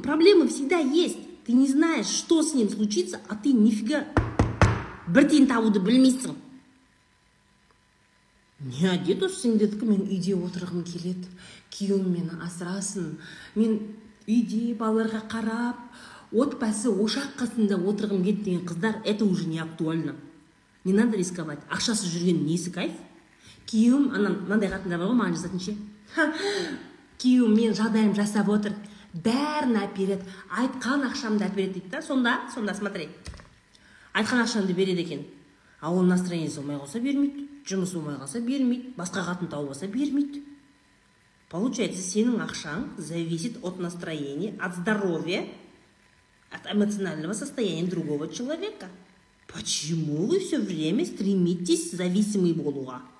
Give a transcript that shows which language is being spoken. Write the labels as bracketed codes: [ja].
[ru] Проблема всегда есть. Ты не знаешь, что с ним случится, а ты нифига [kk] бір тиын табуды білмейсің. Не әдет осы сендердікі, мен үйде отырғым келеді. Күйеуім мені асырасын. Мен үйде балаларға қарап, отбасы ошақ қасында отырғым келеді деген қыздар, [ru] это уже не актуально. Не надо рисковать. [kk] Ақшасы жүрген несі кайф? Күйеуім, мынандай қатындар бар ғой, маған жазатыншы. Күйеуім мен жағдайым жасап отыр, бәрін әпереді, айтқан ақшамды әпереді дейді да, сонда смотри, айтқан ақшамды береді екен, ауыл настроениесі болмай қалса бермейді, жұмысы болмай қалса бермейді, басқа қатын тауып алса бермейді. [ru] Получается, [kk] сенің ақшаң [ru] зависит от настроения, от здоровья, от эмоционального состояния другого человека. Почему вы все время стремитесь зависимый болуға?